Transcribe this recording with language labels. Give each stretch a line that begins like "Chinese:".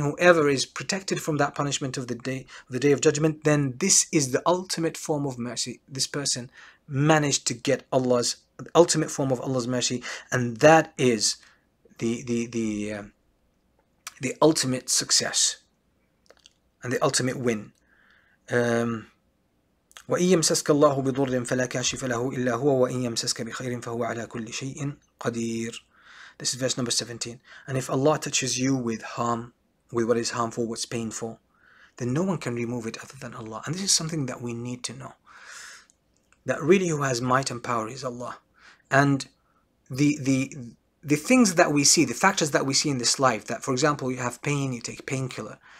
English: Whoever is protected from that punishment of the day of judgment, then this is the ultimate form of mercy. This person managed to get Allah's ultimate form of Allah's mercy, and that is the ultimate success and the ultimate win.
Arabic: وإن يمسسك الله بضر فلا كاشف له إلا هو وإن يمسسك بخير فهو على كل شيء قدير.
English: This is verse number 17. And if Allah touches you with harm, with what is harmful, what's painful, then no one can remove it other than Allah. And this is something that we need to know. That really who has might and power is Allah. And the things that we see, the factors that we see in this life, that for example, you have pain, you take painkiller.